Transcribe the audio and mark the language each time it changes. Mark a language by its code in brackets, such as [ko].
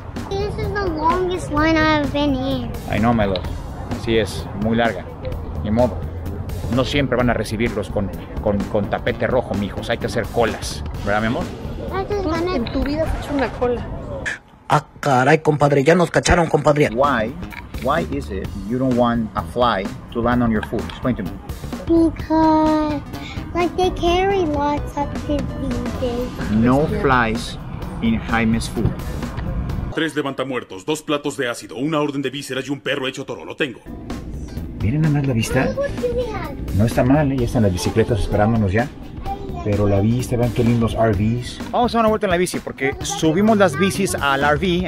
[en] This is the longest line I've been in. I know, my love. [es] Sí, es muy larga. Ni modo. No siempre van a recibirlos con tapete rojo, mijos. Hay que hacer colas, ¿verdad, mi amor? En tu vida has hecho una cola. Ah, caray, compadre, ya nos cacharon, compadre. [en] Why is it you don't want a fly to land on your foot? Explain to me. Because, like, they carry lots of things these days. No flies in Jaime's food. [es] Tres levantamuertos, dos platos de ácido, una orden de vísceras y un perro hecho toro, lo tengo. ¿Miren nada más la vista? No está mal, ¿eh? Ya están las bicicletas esperándonos ya. Pero la vista, vean qué lindos RVs. Vamos a dar una vuelta en la bici porque subimos las bicis al RV.